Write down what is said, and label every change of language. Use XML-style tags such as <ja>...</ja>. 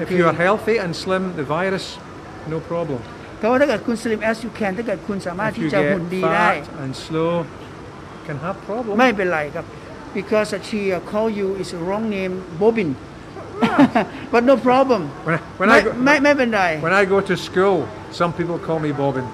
<en>If you are healthy and slim, the virus, no problem.</en> <th>ถ้าเกิดคุณ</th> <en>slim as you can,</en> <th>ถ้าเกิดคุณสามารถที่จะหุ่นดีได้</th> <en>fat and slow, can have problem.</en> <th>ไม่เป็นไรครับ</th> <en>because she call you is wrong name, Bobin. But no problem. When I go to school, some people call me Bobin.</en>